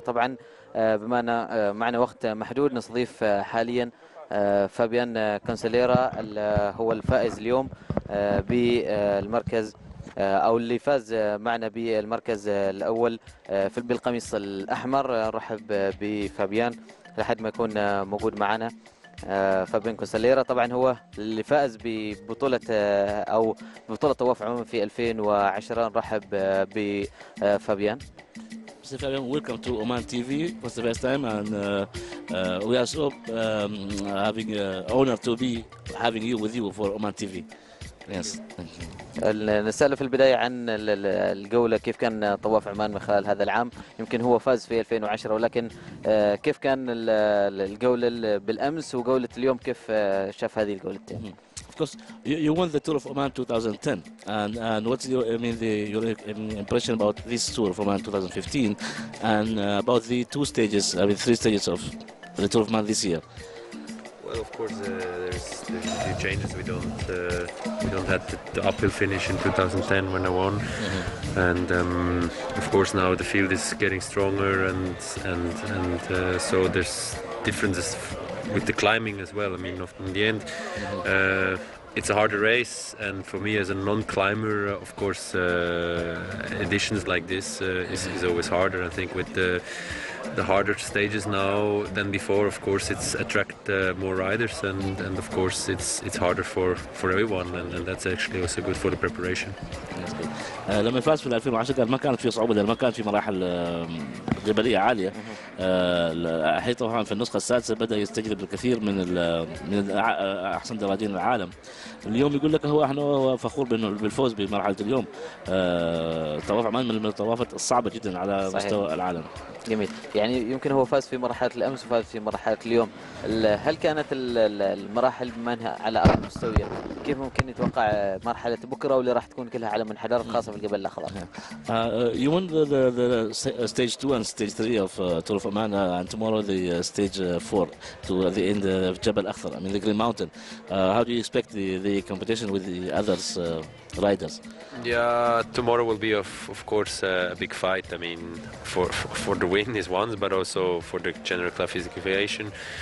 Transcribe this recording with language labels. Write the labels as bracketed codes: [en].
[ar] طبعا بما ان معنا وقت محدود نستضيف حاليا فابيان كونسليرا، هو الفائز اليوم بالمركز او اللي فاز معنا بالمركز الاول في بالقميص الاحمر. نرحب بفابيان لحد ما يكون موجود معنا. فابيان كونسليرا طبعا هو اللي فاز ببطوله او بطوله طواف عمان في 2010. نرحب بفابيان. [en] Mr. Fabian, welcome to Oman TV for the first time, and we are so having honor to be having you with you for Oman TV. Yes. [ar] نسأله في البداية عن الجولة، كيف كان طواف عمان من خلال هذا العام؟ يمكن هو فاز في 2010، ولكن كيف كان الجولة بالأمس وجولة اليوم؟ كيف شاف هذه الجولة؟ [en] Because you won the tour of Oman 2010, and what's your your impression about this tour of Oman 2015, and about the two stages, I mean three stages of the tour of Oman this year? Well, of course, there's a few changes. We don't have the uphill finish in 2010 when I won, mm-hmm. and of course now the field is getting stronger, and so there's differences with the climbing as well. I mean, in the end, it's a harder race, and for me as a non-climber, of course, additions like this is always harder. I think with the harder stages now than before, of course, it's attract more riders, and of course, it's harder for everyone, and that's actually also good for the preparation. [ar] لما فاز في 2010 قال ما كانت في صعوبة، ما كانت في مراحل جبلية عالية. حيث طبعا في النسخة السادسة بدأ يستجلب الكثير من أحسن دراجين العالم. اليوم يقول لك هو فخور بالفوز بمرحلة اليوم. طواف عمان من الطوافات الصعبة جدا على مستوى العالم. جميل، يعني يمكن هو فاز في مرحلة الأمس وفاز في مرحلة اليوم. هل كانت المراحل بما أنها على أرض مستوية، كيف ممكن يتوقع مرحلة بكرة واللي راح تكون كلها على منحدر خاصة في الجبل الأخضر؟ [en] You won the stage 2 and stage 3 of Tour of Oman, and tomorrow the stage 4 to the end of Jabal Akhtar, I mean the Green Mountain. How do you expect the competition with the others riders? Yeah, tomorrow will be of course a big fight. I mean, for the win is one, but also for the general classification.